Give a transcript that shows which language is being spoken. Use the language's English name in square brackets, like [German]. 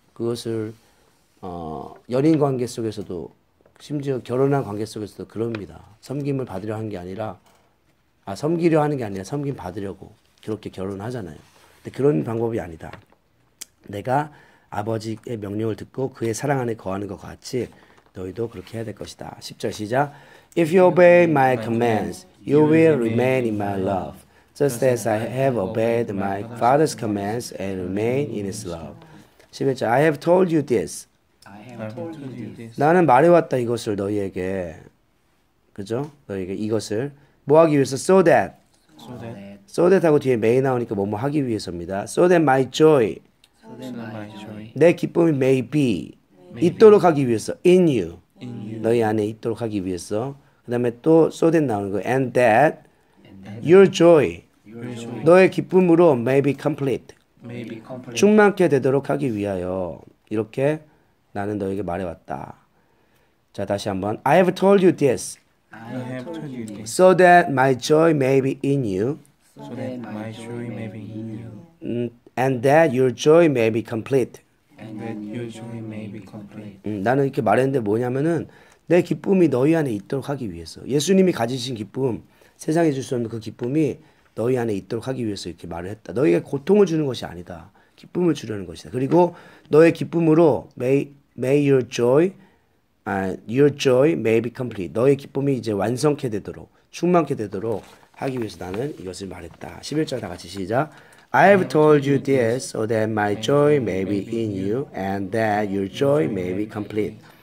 [Korean] 그것을, 연인 관계 속에서도, 심지어 결혼한 관계 속에서도 그럽니다. 섬김을 받으려 하는 게 아니라, 섬김 받으려고 그렇게 결혼하잖아요. 근데 그런 방법이 아니다. 내가 아버지의 명령을 듣고 그의 사랑 안에 거하는 것 같이, 너희도 그렇게 해야 될 것이다. 10절 시작. [English] If you obey my commands, you will remain in my love, just as I have obeyed my father's commands and remain in his love. [Korean] 11절, [English] I have told you this. I have told you this. [Korean] 나는 말해왔다 이것을 너희에게. 그죠? 너희에게 이것을. 뭐 하기 위해서? [English] So that. So that. So that [Korean] 하고 뒤에 [English] may [Korean] 나오니까 뭐뭐 하기 위해서입니다. [English] So that my joy. So that my joy. [Korean] 내 기쁨이 [English] may be. [Korean] 있도록 하기 위해서. [English] In you. In you. [Korean] 너희 안에 있도록 하기 위해서. 그 다음에 또 [English] so that [Korean] 나오는 거. [English] And that, and that your joy. Your joy. [Korean] 너의 기쁨으로 [English] may be complete. May be complete. [Korean] 충만케 되도록 하기 위하여. 이렇게 나는 너에게 말해왔다. 자, 다시 한번. [English] I have told you this. I have told you this. So that my joy may be in you. So that my joy may be in you. And that your joy may be complete. Complete. [Korean] 나는 이렇게 말했는데 뭐냐면은 내 기쁨이 너희 안에 있도록 하기 위해서 예수님이 가지신 기쁨 세상에 줄 수 없는 그 기쁨이 너희 안에 있도록 하기 위해서 이렇게 말을 했다. 너희에게 고통을 주는 것이 아니다. 기쁨을 주려는 것이다. 그리고 너의 기쁨으로 [English] your joy may be complete. [Korean] 너의 기쁨이 이제 완성케 되도록 충만케 되도록 하기 위해서 나는 이것을 말했다. 11절 다 같이 시작. [English] I have told you this so that my joy may be in you and that your joy may be complete.